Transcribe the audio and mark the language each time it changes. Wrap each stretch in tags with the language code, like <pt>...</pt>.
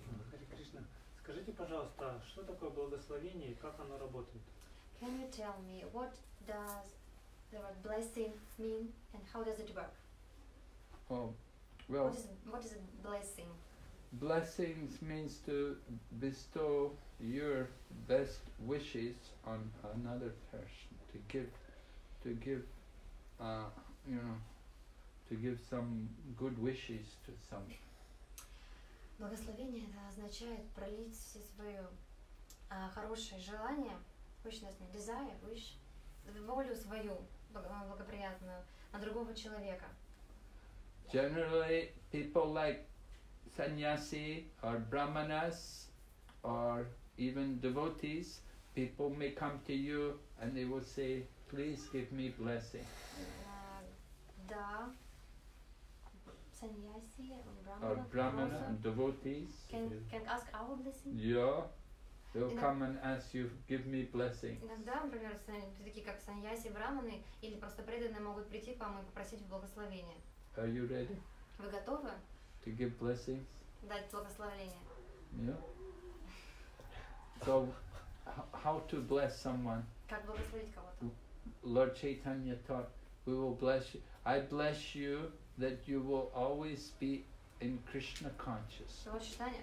<ru>Хари Кришна, скажите, пожалуйста, что такое благословение и как оно работает?</ru> <en>Can you tell me what does the word blessing mean and how does it work? Oh, well. What is a blessing? Blessings means to bestow your best wishes on another person, to give some good wishes to someone.</en> <ru>Благословение это означает пролить все свои хорошие желания,</ru> <en>wishness, desire, wish,</en> <ru>волю свою благоприятную на другого человека.</ru> <en>Generally, people like sannyasi or brahmanas or even devotees, people may come to you and they will say, Please give me blessing.</en> <ru>Да, саньяси, брахманы,</ru> <en>devotees. Can ask our blessing? Yeah, they'll come and ask you, give me blessing.</en> <ru>Иногда, например, такие как саньяси, брахманы или просто преданные могут прийти к вам и попросить благословения.</ru> <en>Are you ready?</en> <ru>Вы готовы?</ru> <en>To give blessings?</en> <ru>Дать благословение.</ru> <en>Yeah. So, how to bless someone?</en> <ru>Как благословить кого-то?</ru> <en>Lord Chaitanya taught, we will bless you. I bless you that you will always be in Krishna consciousness.</en>